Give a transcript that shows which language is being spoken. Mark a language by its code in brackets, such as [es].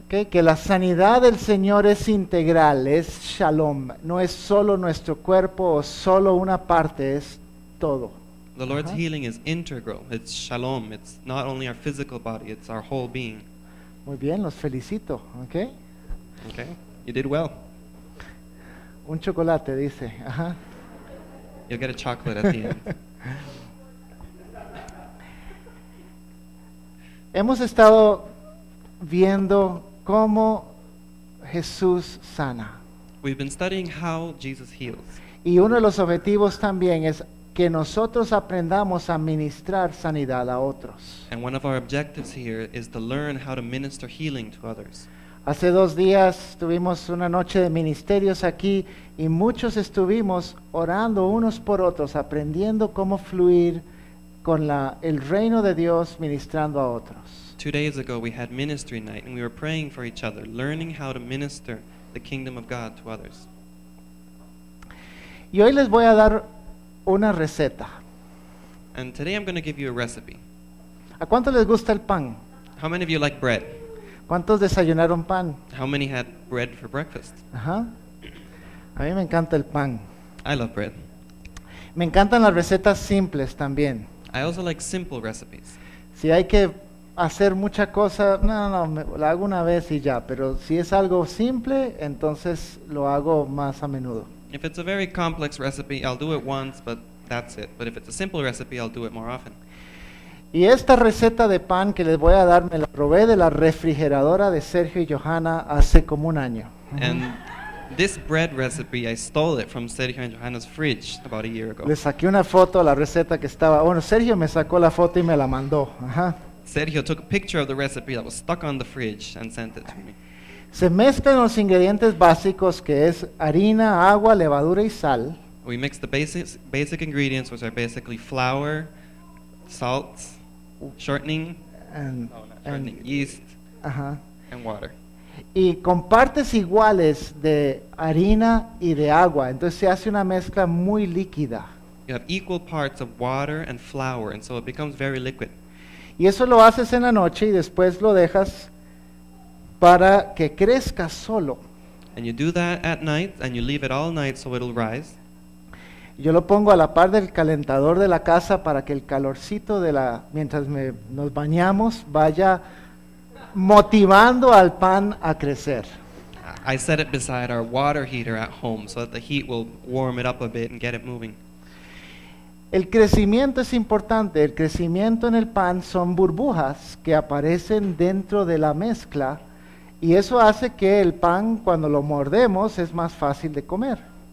[es] Que la sanidad del Señor es integral, es shalom, no es solo nuestro cuerpo o solo una parte, es todo. [en] The Lord's healing is integral, it's shalom, it's not only our physical body, it's our whole being. [es] Muy bien, los felicito, ¿ok? [en] Ok, you did well. [es] Un chocolate, dice, ajá. [en] You'll get a chocolate at the end. [es] Hemos estado viendo cómo Jesús sana. [en] We've been studying how Jesus heals. [es] Y uno de los objetivos también es que nosotros aprendamos a ministrar sanidad a otros. [en] And one of our objectives here is to learn how to minister healing to others. [es] Hace dos días tuvimos una noche de ministerios aquí y muchos estuvimos orando unos por otros, aprendiendo cómo fluir con el reino de Dios ministrando a otros. [en] 2 days ago we had ministry night and we were praying for each other, learning how to minister the kingdom of God to others. [es] Y hoy les voy a dar una receta. [en] And today I'm going to give you a recipe. [es] ¿A cuánto les gusta el pan? [en] How many of you like bread? [es] ¿Cuántos desayunaron pan? [en] How many had bread for breakfast? [es] Uh-huh. A mí me encanta el pan. [en] I love bread. [es] Me encantan las recetas simples también. [en] I also like simple recipes. [es] Si hay que hacer mucha cosa, la hago una vez y ya, pero si es algo simple, entonces lo hago más a menudo. [en] If it's a very complex recipe, I'll do it once, but that's it. But if it's a simple recipe, I'll do it more often. [es] Y esta receta de pan que les voy a dar me la probé de la refrigeradora de Sergio y Johanna hace como un año. [en] And this bread recipe, I stole it from Sergio and Johanna's fridge about a year ago. [es] Le saqué una foto a la receta que estaba. Bueno, Sergio me sacó la foto y me la mandó. Ajá. [en] Sergio took a picture of the recipe that was stuck on the fridge and sent it to me. [es] Se mezclan los ingredientes básicos que es harina, agua, levadura y sal. [en] We mix the basic ingredients, which are basically flour, salt, shortening, yeast, and water. [es] Y con partes iguales de harina y de agua, entonces se hace una mezcla muy líquida. [en] You have equal parts of water and flour, and so it becomes very liquid. [es] Y eso lo haces en la noche y después lo dejas para que crezca solo. [en] And you do that at night and you leave it all night so it'll rise. [es] Yo lo pongo a la par del calentador de la casa para que el calorcito de la mientras nos bañamos vaya motivando al pan a crecer. [en] I set it beside our water heater at home so that the heat will warm it up a bit and get it moving. [es] El crecimiento es importante. El crecimiento en el pan son burbujas que aparecen dentro de la mezcla y eso hace que el pan, cuando lo mordemos, es más fácil de comer.